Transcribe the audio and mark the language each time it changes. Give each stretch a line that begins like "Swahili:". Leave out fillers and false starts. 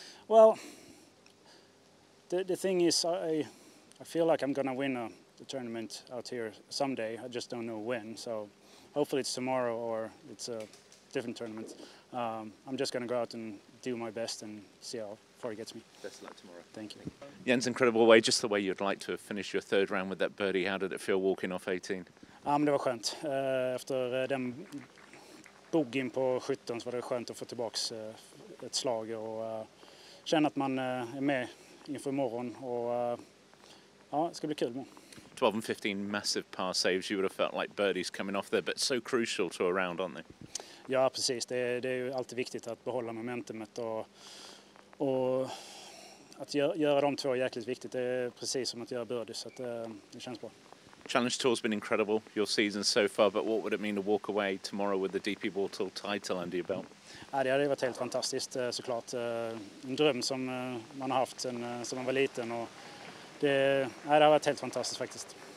English: Well, the thing is, I feel like I'm going to win a tournament out here someday. I just don't know when, so hopefully it's tomorrow or it's a different tournament. I'm just going to go out and do my best and see how far it gets me. Best of luck tomorrow. Thank you. Jens, incredible way, just the way you'd like to finish your third round with that birdie. How did it feel walking off 18?
Swedish: Det var skönt. Efter den bogen på 17 så var det skönt att få tillbaka ett slag och känna att man är med inför morgon. Och ja, det ska bli kul.
English: 12 and 15, massive par saves. You would have felt like birdies coming off there, but so crucial to a round, aren't they?
Swedish: Ja, precis. Det är ju alltid viktigt att behålla momentumet och att göra de två är jäkligt viktigt. Det är precis som att göra birdies, så att, det känns bra.
English: Challenge Tour's been incredible, your season so far, but what would it mean to walk away tomorrow with the DP World Tour title under your belt?
Swedish: Ja, det hade varit helt fantastiskt, såklart. En dröm som man har haft sedan man var liten. Och det har varit helt fantastiskt faktiskt.